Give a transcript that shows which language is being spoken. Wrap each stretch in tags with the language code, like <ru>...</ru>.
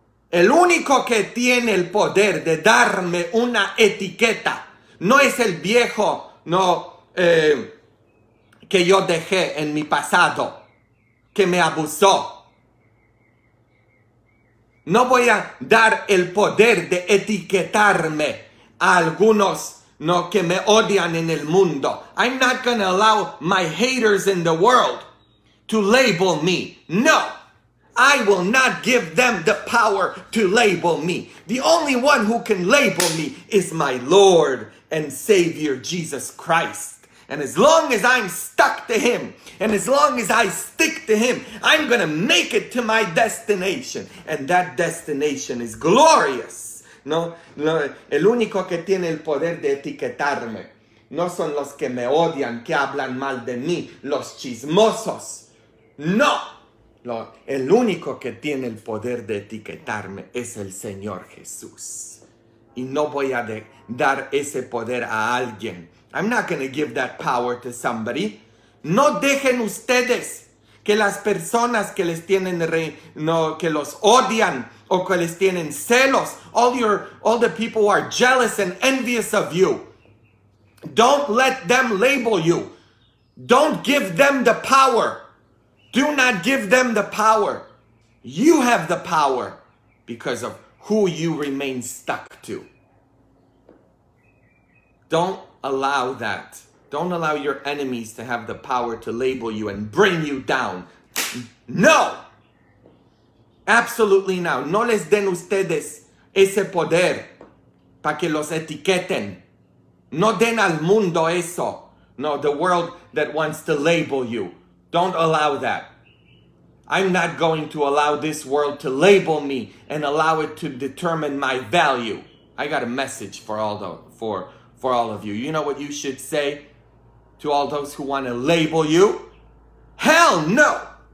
<es>El único que tiene el poder de darme una etiqueta no es el viejo, no, que yo dejé en mi pasado, que me abusó. No voy a dar el poder de etiquetarme a algunos, no, que me odian en el mundo.</es> <en>I'm not gonna allow my haters in the world to label me. No, I will not give them the power to label me. The only one who can label me is my Lord and Savior Jesus Christ. And as long as I'm stuck to Him, and as long as I stick to Him, I'm gonna make it to my destination. And that destination is glorious.</en> <es>No, no, el único que tiene el poder de etiquetarme no son los que me odian, que hablan mal de mí, los chismosos. No, no, el único que tiene el poder de etiquetarme es el Señor Jesús. Y no voy a dar ese poder a alguien.</es> <en>I'm not going to give that power to somebody.</en> <es>No dejen ustedes que las personas que les tienen que los odian o que les tienen celos,</es> <en>all the people who are jealous and envious of you, don't let them label you. Don't give them the power. Do not give them the power. You have the power because of who you remain stuck to. Don't allow that. Don't allow your enemies to have the power to label you and bring you down. No! Absolutely not.</en> <es>No les den ustedes ese poder para que los etiqueten. No den al mundo eso.</es> <en>No, the world that wants to label you. Don't allow that. I'm not going to allow this world to label me and allow it to determine my value. I got a message for all the for all of you. You know what you should say to all those who want to label you? Hell no!</en>